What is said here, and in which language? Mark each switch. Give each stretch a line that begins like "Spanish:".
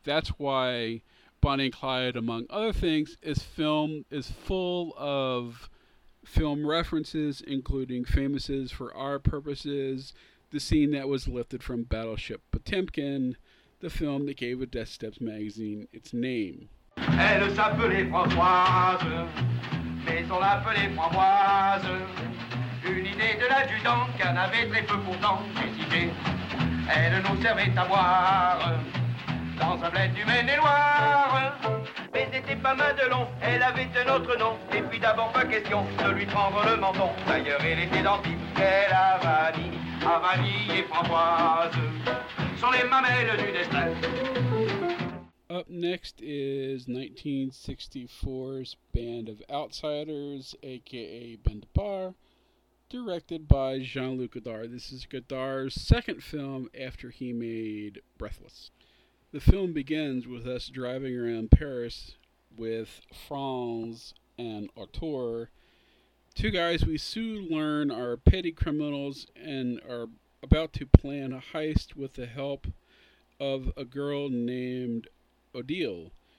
English: That's why Bonnie and Clyde, among other things, is full of film references, including famouses for our purposes, the scene that was lifted from Battleship Potemkin, the film that gave a Death Steps magazine its name.
French: Elle s'appelait Framboise, mais on l'appelait Framboise. Une idée de l'adjudant qu'elle avait très peu pourtant décidé. Elle nous servait à boire dans un bled du Maine-et-Loire. Mais c'était pas Madelon, elle avait un autre nom. Et puis d'abord pas question de lui prendre le menton. D'ailleurs elle était dentiste, elle a vanille. A vanille et Framboise sont les mamelles du destin.
English: Up next is 1964's Band of Outsiders, a.k.a. Band de Par, directed by Jean-Luc Godard. This is Godard's second film after he made Breathless. The film begins with us driving around Paris with Franz and Arthur, two guys we soon learn are petty criminals and are about to plan a heist with the help of a girl named Odile.